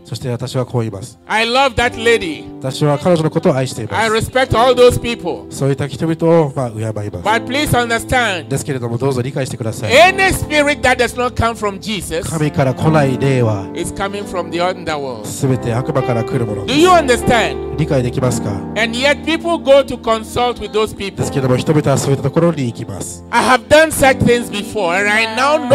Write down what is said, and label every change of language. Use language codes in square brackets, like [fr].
[ja] そして私はこう言います。 [en] I love that lady. [ja] 私は彼女のことを愛しています。 [en] I respect all those people. [ja] そういった人々をまあ敬います。 [en] But please understand. [ja] ですけれどもどうぞ理解してください。 [en] Any spirit that does not come from Jesus. [ja] 神から来ない霊は [en] is coming from the underworld. [ja] 全て悪魔から来るものです。 [en] Do you understand? [ja] 理解できますか? [en] And yet people go to consult with those people. [ja] ですけれども人々はそういったところに行きます。 [en] I have done such things before and I now know.